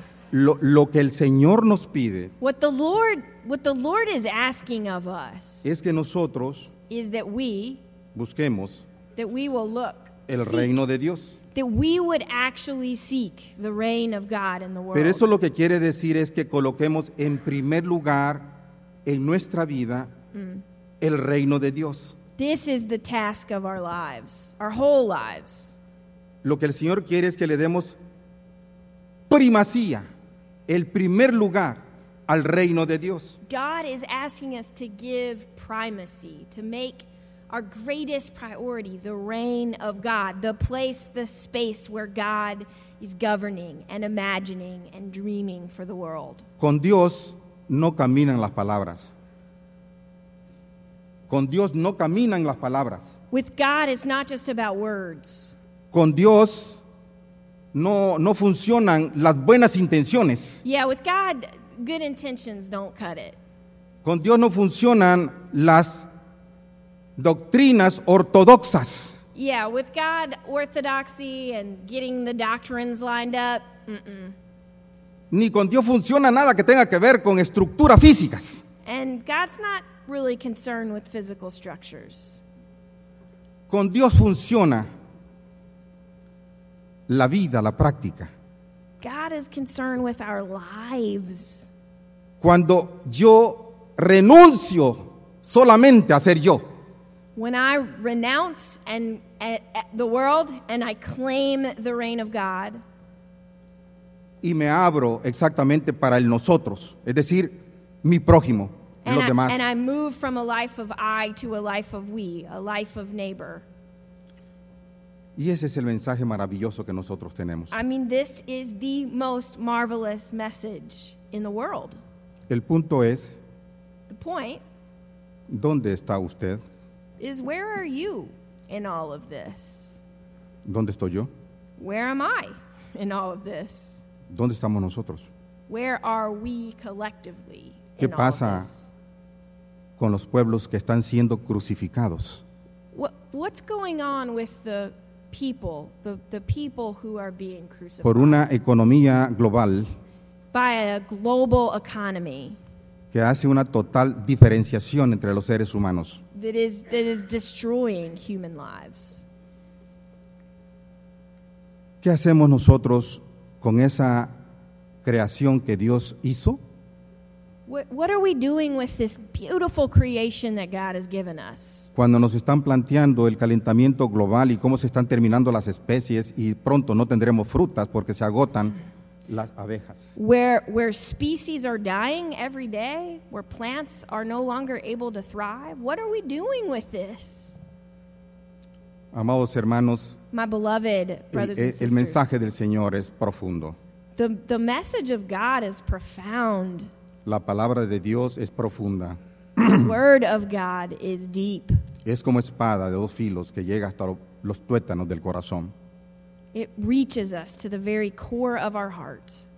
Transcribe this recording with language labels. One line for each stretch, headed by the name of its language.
Spanish: Lo que el Señor nos pide.
English: What the Lord is asking of us.
Spanish: Es que nosotros.
English: Is that we.
Spanish: Busquemos.
English: That we will look.
Spanish: El reino de Dios.
English: That we would actually seek the reign of God in the world.
Spanish: Pero eso lo que quiere decir es que coloquemos en primer lugar en nuestra vida el reino de Dios.
English: This is the task of our lives, our whole lives.
Spanish: Lo que el Señor quiere es que le demos primacía, el primer lugar al reino de Dios.
English: God is asking us to give primacy, to make our greatest priority, the reign of God, the place, the space where God is governing and imagining and dreaming for the world.
Spanish: Con Dios no caminan las palabras. Con Dios no caminan las palabras.
English: With God, it's not just about words.
Spanish: Con Dios no funcionan las buenas intenciones.
English: Yeah, with God, good intentions don't cut it.
Spanish: Con Dios no funcionan las doctrinas ortodoxas.
English: Yeah, with God, orthodoxy and getting the doctrines lined up.
Spanish: Ni con Dios funciona nada que tenga que ver con estructuras físicas.
English: And God's not really concerned with physical structures.
Spanish: Con Dios funciona la vida, la práctica.
English: God is concerned with our lives.
Spanish: Cuando yo renuncio solamente a ser yo.
English: When I renounce and the world and I claim the reign of God.
Spanish: Y me abro exactamente para el nosotros, es decir, mi prójimo, los demás.
English: And I move from a life of I to a life of we, a life of neighbor.
Spanish: Y ese es el mensaje maravilloso que nosotros tenemos.
English: I mean, this is the most marvelous message in the world.
Spanish: El punto es.
English: The point.
Spanish: ¿Dónde está usted?
English: Is where are you in all of this?
Spanish: ¿Dónde estoy yo?
English: Where am I in all of this?
Spanish: ¿Dónde estamos nosotros?
English: Where are we collectively in all of this?
Spanish: ¿Qué pasa con los pueblos que están siendo crucificados?
English: What's going on with the people, the people who are being crucified?
Spanish: Por una economía global.
English: By a global economy.
Spanish: Que hace una total diferenciación entre los seres humanos.
English: That is destroying human lives.
Spanish: ¿Qué hacemos nosotros con esa creación que Dios hizo?
English: What are we doing with this beautiful creation that God has given us?
Spanish: Cuando nos están planteando el calentamiento global y cómo se están terminando las especies y pronto no tendremos frutas porque se agotan. Las abejas.
English: Where species are dying every day, where plants are no longer able to thrive. What are we doing with this?
Spanish: Amados hermanos,
English: my beloved brothers and sisters,
Spanish: el mensaje del Señor es profundo.
English: The message of God is profound.
Spanish: La palabra de Dios es profunda.
English: The word of God is deep.
Spanish: Es como espada de dos filos que llega hasta los tuétanos del corazón.
English: It reaches us to the very core of our heart.